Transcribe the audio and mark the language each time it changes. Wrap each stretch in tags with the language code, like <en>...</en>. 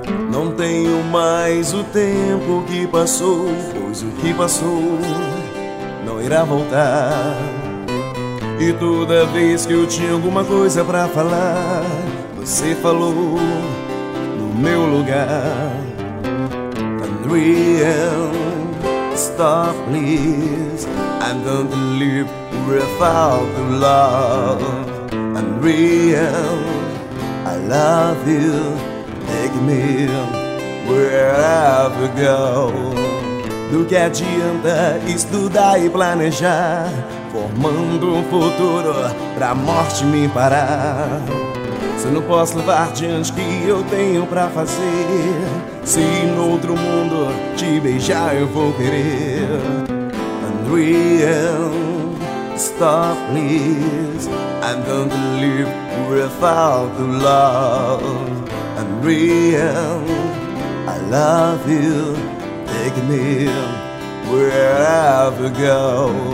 <pt>Não tenho mais o tempo que passou, pois o que passou não irá voltar. E toda vez que eu tinha alguma coisa pra falar, você falou no meu lugar.</pt> <en>Andrew, stop please, I'm going to live without your love. Andrew, I love you, take me wherever you go.</en> <pt>Do que adianta estudar e planejar, formando um futuro pra morte me parar? Se eu não posso levar diante que eu tenho pra fazer, se em outro mundo te beijar eu vou querer.</pt> <en>Andrew, stop please, I'm going to live without your love. Andrew, I love you, take me wherever you go.</en>